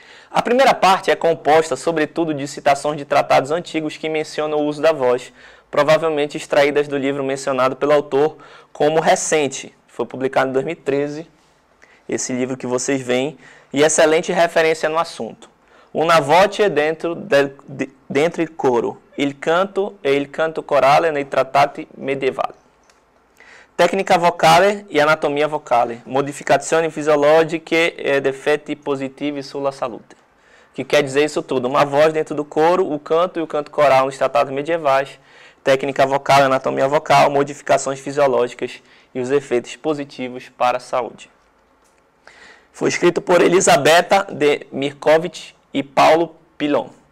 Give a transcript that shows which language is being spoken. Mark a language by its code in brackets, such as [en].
[pt] A primeira parte é composta, sobretudo, de citações de tratados antigos que mencionam o uso da voz, provavelmente extraídas do livro mencionado pelo autor como recente. Foi publicado em 2013, esse livro que vocês veem, e excelente referência no assunto. [it] Una voce dentro il coro, il canto e il canto corale nei trattati medievali. Tecnica vocale e anatomia vocale, modificazioni fisiologiche e effetti positivi sulla salute. [pt] Que quer dizer isso tudo? Uma voz dentro do coro, o canto e o canto coral nos tratados medievais, técnica vocal, anatomia vocal, modificações fisiológicas e os efeitos positivos para a saúde. Foi escrito por Elisabetta de Mirkovic e Paulo Pilon.